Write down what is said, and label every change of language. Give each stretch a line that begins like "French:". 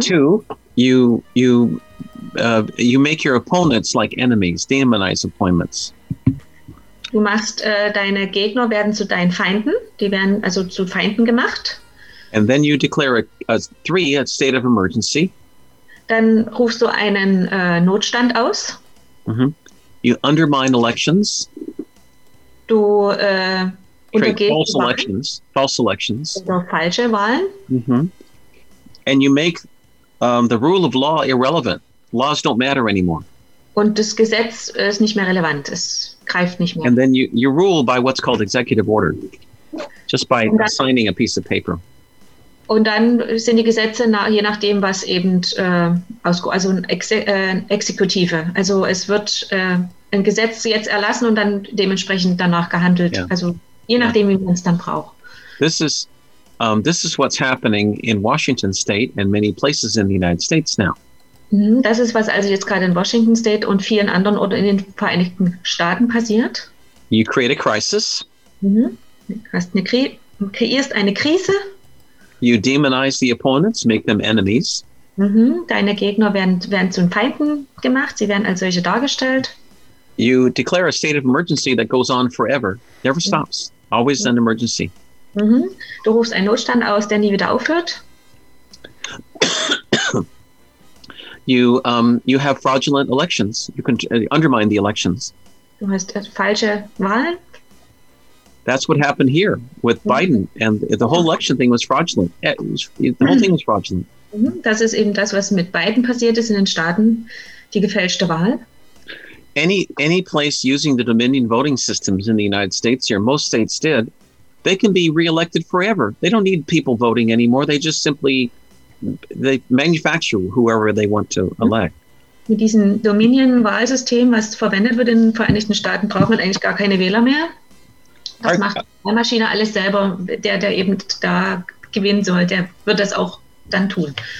English: Two, you make your opponents like enemies, demonize appointments.
German: Du machst deine Gegner werden zu deinen Feinden. Die werden also zu Feinden gemacht.
English: And then you declare a state of emergency.
German: Dann rufst du einen Notstand aus.
English: Mm-hmm. You undermine elections.
German: Du
English: create false elections. False elections.
German: Also falsche Wahlen. Mm-hmm.
English: And you make the rule of law irrelevant. Laws don't matter anymore.
German: Und das Gesetz ist nicht mehr relevant. Es greift nicht mehr.
English: And then you rule by what's called executive order, just by signing a piece of paper.
German: Und dann sind die Gesetze je nachdem, was eben Exekutive. Also es wird ein Gesetz jetzt erlassen und dann dementsprechend danach gehandelt. Yeah. Also je nachdem, wie man es dann braucht.
English: This is what's happening in Washington State and many places in the United States now.
German: Das ist, was also jetzt gerade in Washington State und vielen anderen oder in den Vereinigten Staaten passiert.
English: You create a crisis.
German: Kreierst eine Krise.
English: You demonize the opponents, make them enemies.
German: Deine Gegner werden zu Feinden gemacht, sie werden als solche dargestellt.
English: You declare a state of emergency that goes on forever, never stops, always an emergency.
German: Du rufst einen Notstand aus, der nie wieder aufhört.
English: You have fraudulent elections. You can undermine the elections.
German: Du hast falsche Wahlen.
English: That's what happened here with Biden, and the whole election thing was fraudulent. The whole thing was fraudulent.
German: Das ist eben das, was mit Biden passiert ist in den Staaten, die gefälschte Wahl.
English: Any place using the Dominion voting systems in the United States here, most states did, they can be reelected forever. They don't need people voting anymore. They just simply they manufacture whoever they want to elect.
German: Mit diesem Dominion-Wahlsystem, was verwendet wird in den Vereinigten Staaten, braucht man eigentlich gar keine Wähler mehr. Das macht die Maschine alles selber. Der eben da gewinnen soll, der wird das auch dann tun.